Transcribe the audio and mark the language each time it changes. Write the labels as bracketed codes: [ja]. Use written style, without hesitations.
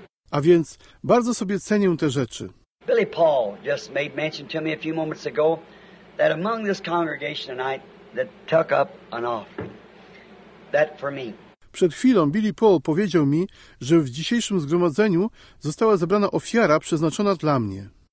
[pl] A więc bardzo sobie cenię te rzeczy. [en] Billy Paul just made mention to me a few moments ago that among this congregation tonight that took up an offering that for me. [pl] Przed chwilą Billy Paul powiedział mi, że w dzisiejszym zgromadzeniu została zebrana ofiara przeznaczona dla mnie.